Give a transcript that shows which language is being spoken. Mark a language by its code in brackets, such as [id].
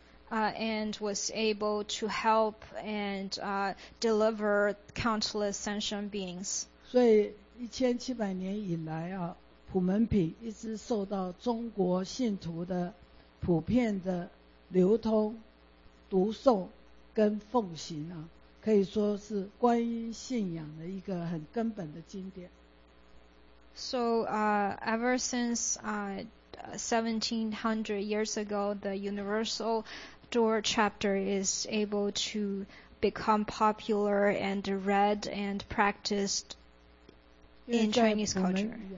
[en] And was able to help and deliver countless sentient beings. [zh] 所以1700年以来啊，普门品一直受到中国信徒的普遍的流通、读诵跟奉行啊，可以说是观音信仰的一个很根本的经典。 [en] So ever since 1700 years ago, the Universal Door Chapter is able to become popular and read and practiced in Chinese culture.